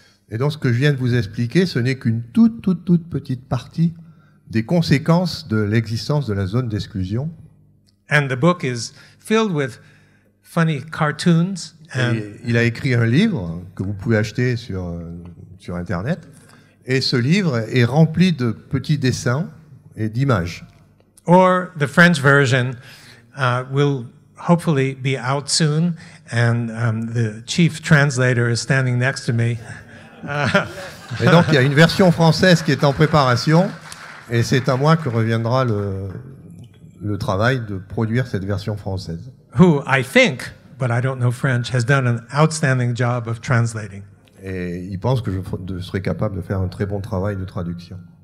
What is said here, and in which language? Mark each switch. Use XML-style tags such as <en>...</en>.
<fr>Et donc ce que je viens de vous expliquer, ce n'est qu'une toute petite partie des conséquences de l'existence de la zone d'exclusion.</fr> <en>And the book is filled with funny cartoons.</en> <fr>And il a écrit un livre que vous pouvez acheter sur Internet. Et ce livre est rempli de petits dessins et d'images.</fr> <en>Or the French version will hopefully be out soon, and the chief translator is standing next to me.</en> <fr>Et donc il y a une version française qui est en préparation, et c'est à moi que reviendra le travail de produire cette version française.</fr> <en>Who I think, but I don't know French, has done an outstanding job of translating.</en> <fr>Et il pense que je serai capable de faire un très bon travail de traduction.</fr>